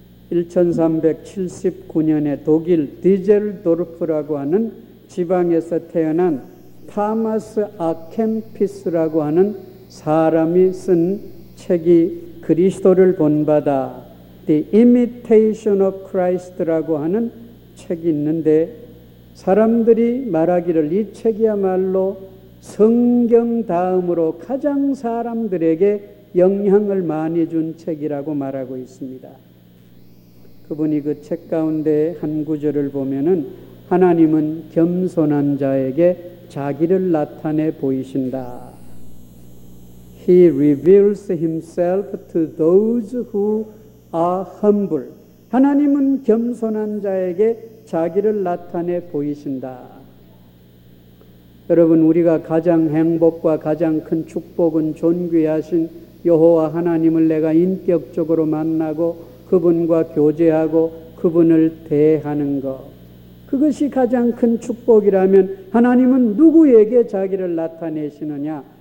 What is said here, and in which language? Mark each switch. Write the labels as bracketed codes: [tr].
[ko] 1379년에 독일 디젤도르프라고 하는 지방에서 태어난 타마스 아켄피스라고 하는 사람이 쓴 책이 그리스도를 본받아 The Imitation of Christ라고 하는 책이 있는데 사람들이 말하기를 이 책이야말로 성경 다음으로 가장 사람들에게 영향을 많이 준 책이라고 말하고 있습니다. 그분이 그 책 가운데 한 구절을 보면은 하나님은 겸손한 자에게 자기를 나타내 보이신다. [en] He reveals himself to those who are humble. [ko] 하나님은 겸손한 자에게 자기를 나타내 보이신다. 여러분, 우리가 가장 행복과 가장 큰 축복은 존귀하신 여호와 하나님을 내가 인격적으로 만나고 그분과 교제하고 그분을 대하는 것, 그것이 가장 큰 축복이라면 하나님은 누구에게 자기를 나타내시느냐?